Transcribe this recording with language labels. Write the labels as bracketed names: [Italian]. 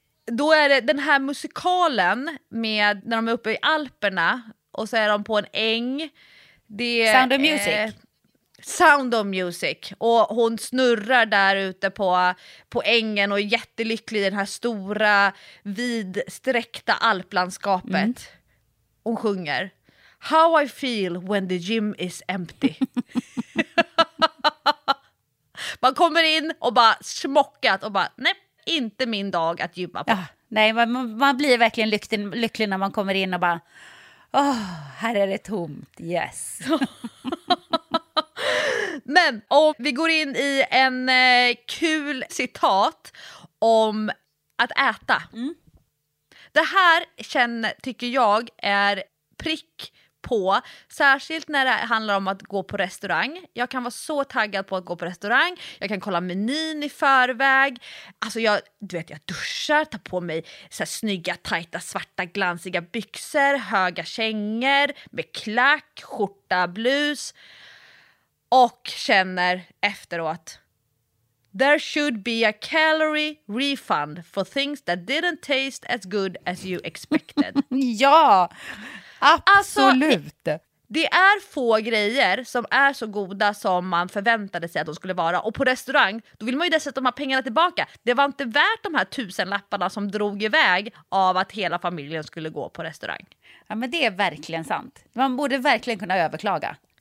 [Swedish] Då är det den här musikalen med när de är uppe i Alperna och så är de på en äng. Det är, Sound of Music. Sound of Music. Och hon snurrar där ute på ängen och är jättelycklig i den här stora, vidsträckta alplandskapet. Mm. Hon sjunger. [English] How I feel when the gym is empty. [Swedish] Man kommer in och bara smockat och bara, nej, inte min dag att gymma på. Ja, nej, man blir verkligen lycklig när man kommer in och bara, åh, här är det tomt, yes. Men, och vi går in i en kul citat om att äta. Mm. Det här känner, tycker jag, är prick på, särskilt när det handlar om att gå på restaurang. Jag kan vara så taggad på att gå på restaurang. Jag kan kolla menyn i förväg. Alltså jag, du vet, jag duschar, tar på mig så här snygga, tajta, svarta, glansiga byxor, höga kängor med klack, skjorta, blus. Och känner efteråt, [English] there should be a calorie refund for things that didn't taste as good as you expected. [Swedish] Ja! Absolut. Alltså, det är få grejer som är så goda som man förväntade sig att de skulle vara. Och på restaurang, då vill man ju dessutom ha pengarna tillbaka. Det var inte värt de här 1000 lapparna som drog iväg av att hela familjen skulle gå på restaurang. Ja, men det är verkligen sant. Man borde verkligen kunna överklaga.